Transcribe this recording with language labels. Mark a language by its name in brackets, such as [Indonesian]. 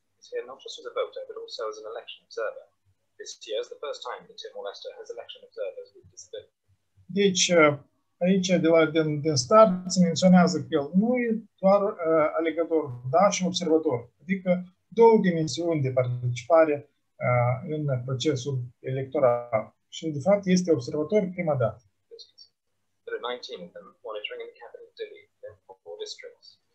[English] He's here not just as a voter, but also as an election observer. This year is the first time that Timor-Leste has election observers with disability. [Romanian] Aici, de la din start, se menționează că el nu e doar alegător, dar și observator. Adică două dimensiuni de participare în procesul electoral. Și, de fapt, este observator prima dată. [English] There are 19 of them monitoring in the capital of Delhi, in four districts.